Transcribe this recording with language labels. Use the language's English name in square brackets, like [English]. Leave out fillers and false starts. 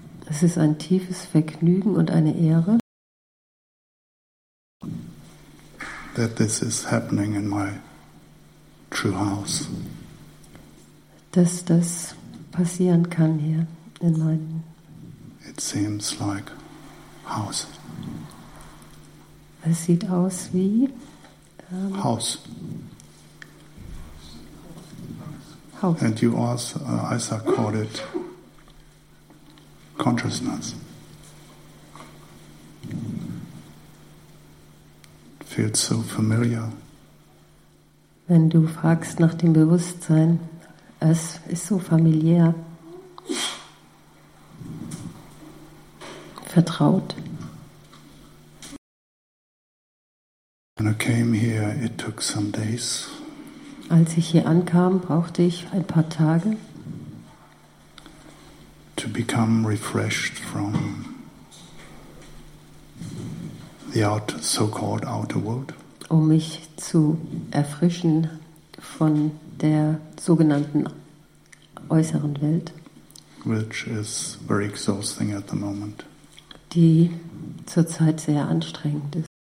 [German] Es ist ein tiefes Vergnügen und eine Ehre. [English] That this is happening in my true house. [German] Dass das passieren kann hier in meinem. [English] It seems like house. [German] Es sieht aus wie Haus. Haus. [English] And you also, Isaac called it consciousness. It feels so familiar. [German] Wenn du fragst nach dem Bewusstsein, es ist so familiär, vertraut. [English] When I came here, it took some days. [German] Als ich hier ankam, brauchte ich ein paar Tage. [English] To become refreshed from the outer, so-called outer world. [German] Um mich zu erfrischen von der sogenannten äußeren Welt. [English] Which is very exhausting at the moment. [German] Die zurzeit sehr anstrengend ist.